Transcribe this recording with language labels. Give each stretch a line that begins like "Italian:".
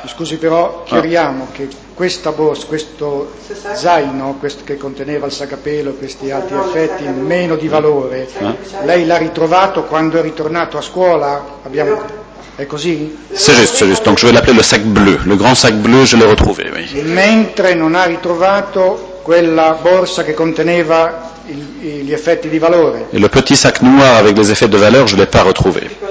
Italian: Scusi, però chiariamo che questa borsa, questo zaino, questo che conteneva il sac a pelo, questi altri effetti, meno di valore. Lei l'ha ritrovato quando è ritornato a scuola? Abbiamo. È così? C'è giusto.
French: Donc je vais l'appeler le sac bleu. Le grand sac bleu, je l'ai retrouvé, oui.
Italian: Mentre non ha ritrovato quella borsa che conteneva gli effetti di valore.
French: Et le petit sac noir avec les effets de valeur, je ne l'ai pas retrouvé.